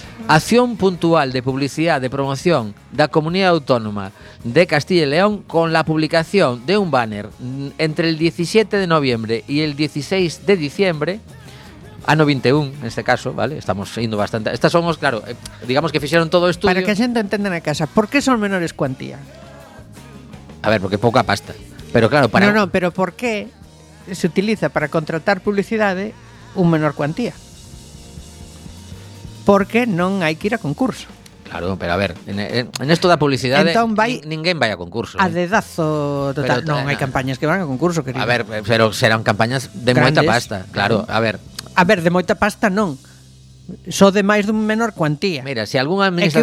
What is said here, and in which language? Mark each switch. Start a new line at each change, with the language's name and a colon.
Spanish: Acción puntual de publicidade de promoción da Comunidade Autónoma de Castilla y León con la publicación de un banner entre el 17 de noviembre y el 16 de diciembre, ano 21, en este caso, vale,
Galician: estamos indo bastante. Estas somos, claro, digamos que fixeron todo o estudio. Para que a xente entenda na casa, por que son menores cuantía? A ver, porque pouca pasta. Pero claro, para... No, pero por que se utiliza para contratar publicidade un menor cuantía? Porque non hai que ir a concurso. Claro, pero a ver, en esto da publicidade, entón vai ninguén vai a concurso. A dedazo total. Pero, non hai campañas que van a concurso, querido. A ver, pero serán campañas de grandes, moita pasta, claro, a ver. A ver, de moita pasta non. Só de máis dun menor cuantía. Mira, se algunha administración...